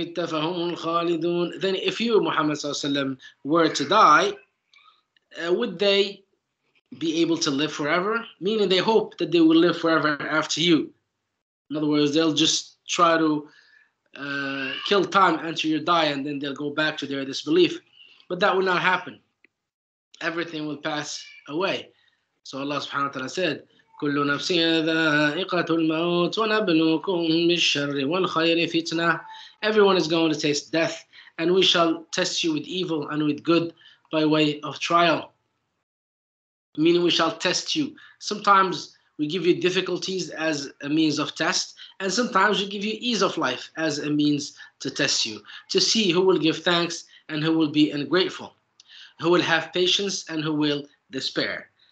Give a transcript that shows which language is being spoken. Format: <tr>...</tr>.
<en>Then if you, Muhammad sallallahu alaihi wasallam, were to die, would they be able to live forever? Meaning they hope that they will live forever after you. In other words, they'll just try to kill time until you die, and then they'll go back to their disbelief. But that will not happen. Everything will pass away. So Allah subhanahu wa ta'ala said,</en> <ar>كُلُّ نَفْسِيَ ذَائِقَةُ الْمَوْتُ وَنَبْلُوكُمْ بِالشَّرِّ وَالْخَيْرِ فِتْنَةً.</ar> <en>Everyone is going to taste death, and we shall test you with evil and with good by way of trial. Meaning we shall test you. Sometimes we give you difficulties as a means of test, and sometimes we give you ease of life as a means to test you, to see who will give thanks and who will be ungrateful, who will have patience and who will despair.</en>